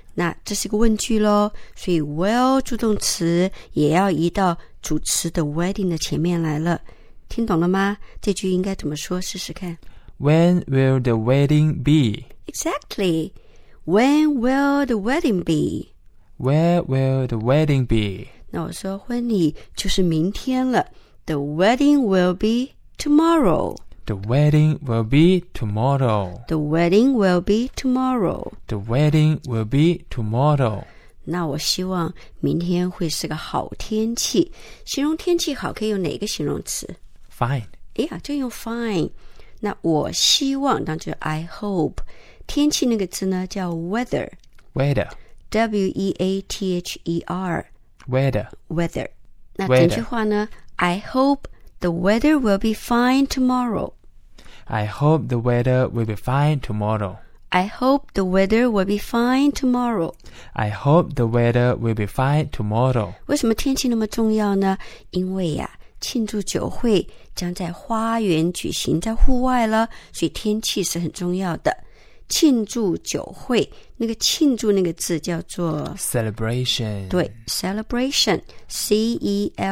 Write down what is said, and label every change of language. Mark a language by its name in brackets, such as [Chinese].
[Chinese] 那这是一个问句咯，所以 will 助动词也要移到主词的 wedding 的前面来了。听懂了吗？这句应该怎么说？试试看。 [English] When will the wedding be? Exactly. When will the wedding be? Where will the wedding be? [Chinese] 那我说婚礼就是明天了。 [English] The wedding will be tomorrow. The wedding will be tomorrow. The wedding will be tomorrow. The wedding will be tomorrow. [Chinese] 那我希望明天会是个好天气。形容天气好可以用哪个形容词？ [English] Fine. [Chinese] 哎呀，就用 fine. 那我希望，当然就是 [English] I hope. [Chinese] 天气那个字呢叫 weather. [English] Weather. W-E-A-T-H-E-R. Weather. Weather. 那整句话呢， I hope the weather will be fine tomorrow. I hope the weather will be fine tomorrow. I hope the weather will be fine tomorrow. I hope the weather will be fine tomorrow. [Chinese] 为什么天气那么重要呢？因为呀，庆祝酒会将在花园举行，在户外了，所以天气是很重要的。庆祝酒会，那个庆祝那个字叫做 [English] celebration。 [Chinese] 对， celebration， C-E-L-E-B-R-A-T-I-O-N。